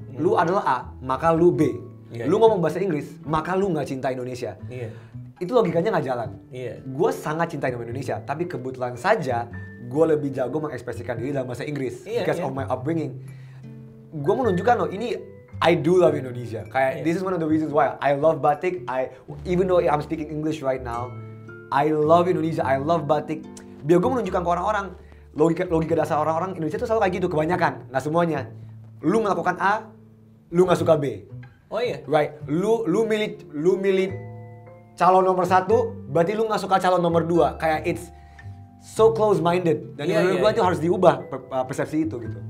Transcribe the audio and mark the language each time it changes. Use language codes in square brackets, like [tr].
[id] Lu adalah A, maka lu B. Yeah, lu ngomong bahasa Inggris, maka lu nggak cinta Indonesia. Yeah. Itu logikanya nggak jalan. Yeah. Gue sangat cinta Indonesia, tapi kebetulan saja. Gue lebih jago mengekspresikan diri dalam bahasa Inggris, yeah, [en] because, yeah. Of my upbringing. [id] Gue menunjukkan loh, ini [en] I do love Indonesia. [id] Kayak, yeah. [en] This is one of the reasons why I love batik. Even though I'm speaking English right now, I love Indonesia. I love batik. [id] Biar gue menunjukkan ke orang-orang logika dasar orang-orang Indonesia itu selalu kayak gitu. Kebanyakan, nggak semuanya. Lu melakukan A, lu nggak suka B. Oh iya. Yeah. Right. Lu milih calon nomor satu, berarti lu nggak suka calon nomor dua. Kayak [en] it's so close-minded, [id] dan menurut gue itu harus diubah persepsi itu gitu.